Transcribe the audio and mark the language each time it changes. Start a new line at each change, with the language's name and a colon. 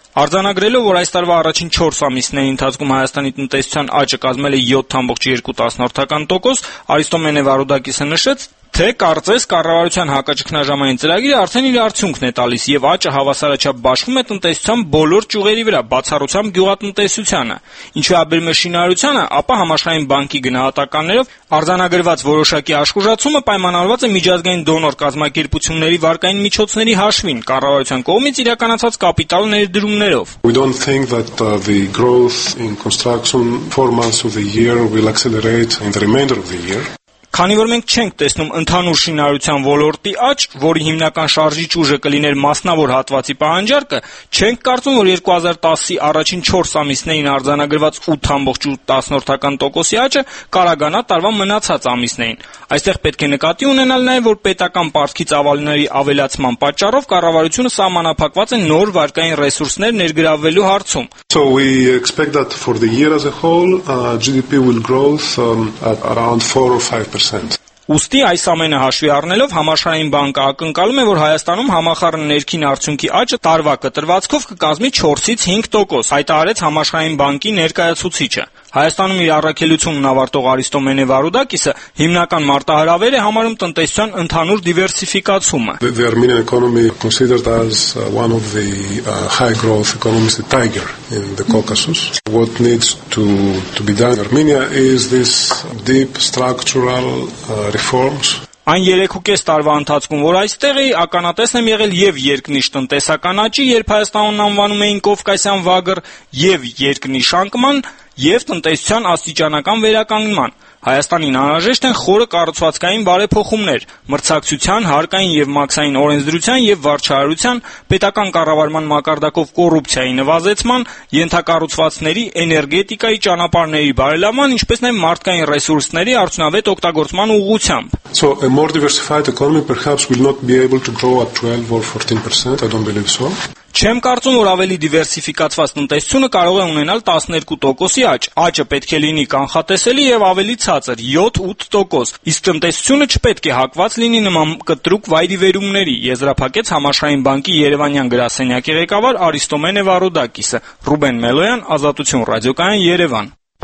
Armenian: Արձանագրելով, որ այս տարվա առաջին 4 ամիսների ընթացքում Հայաստանի տնտեսության աճը կազմել է 7.2%, Արիստոմենե Վարուդակիսը նշեց, թե կարծես կառավարության հակաճգնաժամային ծրագիրը արդեն իր արդյունքն է տալիս և աճը հավասարաչափ բաշխում է տնտեսության բոլոր ճյուղերի վրա, բացառությամբ գյուղատնտեսությանը։ Ինչու աբերմը շինարարությանը, ապա համաշխարհային բանկի գնահատականներով արձանագրված որոշակի աշխուժացումը պայմանավորված է միջազգային դոնոր կազմակերպությունների վարկային միջոցների հաշվին, կառավարության կողմից իրականացած կապիտալ ներդրումներով։
English: We don't think that the growth in construction 4 months of the year will accelerate in the remainder of the year.
Armenian: Քանի որ մենք չենք տեսնում ընդհանուր շինարարության ոլորտի աճ, որի հիմնական շարժիչ ուժը կլիներ մասնավոր հատվացի պահանջարկը, չենք կարծում, որ 2010-ի առաջին 4 ամիսներին արձանագրված 8.8%-ի աճը կարագանա տարվա մնացած ամիսներին։ Այստեղ պետք է նկատի ունենալ նաև, որ պետական պարտքի ծավալների ավելացման պատճառով կառավարությունը սահմանափակված է նոր վարկային ռեսուրսներ ներգրավելու հարցում։
English: So we expect that for the year as a whole, GDP will grow at around 4 or 5%.
Armenian: Ուստի այս ամենը հաշվի առնելով համաշխարհային բանկը ակնկալում է, որ Հայաստանում համախառն ներքին արդյունքի աճը տարվա կտրվածքով կկազմի 4-ից 5%, հայտարարեց համաշխարհային բանկի ներկայացուցիչը։ Հայաստանում իր առաքելությունն ավարտող Արիստոմենե Վարուդակիսը հիմնական մարտահրավեր է համարում տնտեսության ընդհանուր դիվերսիֆիկացումը։
English: The Armenian economy is considered as one of the high growth economies, the tiger in the Caucasus. What needs to be done in Armenia is this deep structural reforms.
Armenian: Այն 3.5 տարվա ընթացքում, որ այստեղ էի, ականատեսն եմ եղել և երկնիշ տնտեսական աճի, երբ Հայաստանն անվանում էին Կովկասյան վագր, և երկնիշ շանկման և տնտեսության աստիճանական վերականգնման։ Հայաստանին անհրաժեշտ են խորը կառուցվածքային բարեփոխումներ, մրցակցության, հարկային և մաքսային օրենսդրության և վարչարարության, պետական կառավարման մակարդակով կոռուպցիայի նվազեցման, ենթակառուցվածքների, էներգետիկայի ճանապարհների բարելավման, ինչպես նաև մարդկային ռեսուրսների արդյունավետ օգտագործման ուղղությամբ։
English: So a more diversified economy perhaps will not be able to grow at 12 or 14%, I don't believe so.
Armenian: Չեմ կարծում, որ ավելի դիվերսիֆիկացված տնտեսությունը կարող է ունենալ 12%-ի աճ։ Աճը պետք է լինի կանխատեսելի և ավելի ցածր՝ 7-8%, իսկ տնտեսությունը չպետք է հակված լինի նման կտրուկ վայրի վերումների, եզրափակեց համաշխարհային բանկի Երևանյան գրասենյակի ղեկավար Արիստոմենե Վարուդակիսը։ Ռուբեն Մելոյան, Ազատություն ռադիոկայան, Երևան։